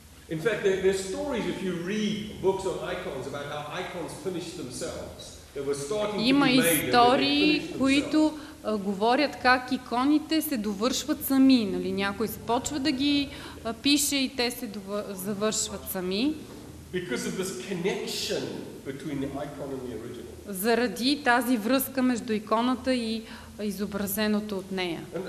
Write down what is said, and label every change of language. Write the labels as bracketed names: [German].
[English] In fact, there are stories if you read books on icons about how icons finish themselves. They were starting to be made. [Bulgarian] Има истории, които говорят как иконите се довършват сами, нали? Някой започва да ги пише и те се завършват сами. [English] Because of this connection between the icon and the original. [Bulgarian] Заради тази връзка между иконата и изобразеното от нея.